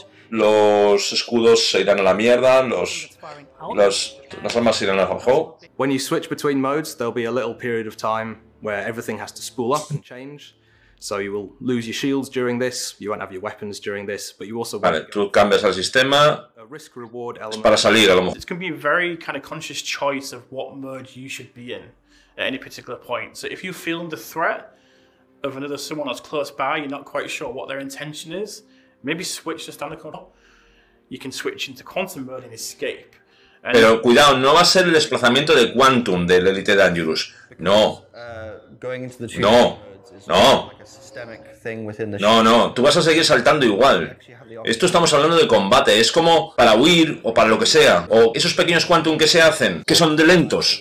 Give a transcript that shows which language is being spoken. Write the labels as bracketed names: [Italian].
[Spanish] Los escudos se irán a la mierda, las armas se irán al bajo. [English] When you switch between modes, there'll be a little period of time where everything has to spool up and change. So you will lose your shields during this, you won't have your weapons during this, but you also [Spanish] vale, tú cambias al sistema. [English] A risk reward element. [Spanish] Es para salir a lo mejor. [English] It can be a very kind of conscious choice of what mode you should be in at any particular point. So if you feel the threat of another someone that's close by, you're not quite sure what their intention is, maybe switch to standard control. You can switch into quantum mode and escape. And [Spanish] pero cuidado, no va a ser el desplazamiento de quantum del Elite Dangerous. No. [English] Going into the [Spanish] ship no. No. No, no. Tú vas a seguir saltando igual. Esto estamos hablando de combate. Es como para huir o para lo que sea. O esos pequeños quantum que se hacen, que son de lentos.